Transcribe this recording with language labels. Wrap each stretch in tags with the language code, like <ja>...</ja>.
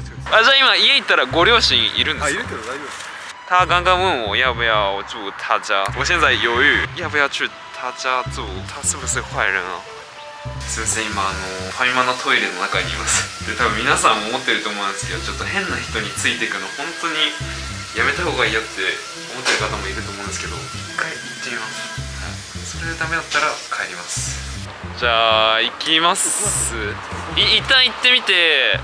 <ja>あ、じゃあ今家行ったらご両親いるんですか？あ、いるけど大丈夫。</ja> <zh>他刚刚问我要不要住他家，我现在犹豫要不要去他家住，他是不是坏人啊？</zh> <ja>すいません、今あのファミマのトイレの中にいます。で、多分皆さんも思ってると思うんですけど、ちょっと変な人についていくの本当にやめた方がいいよって思ってる方もいると思うんですけど、一回行ってみます。それでダメだったら帰ります。じゃあ行きます。一旦行ってみて、</ja>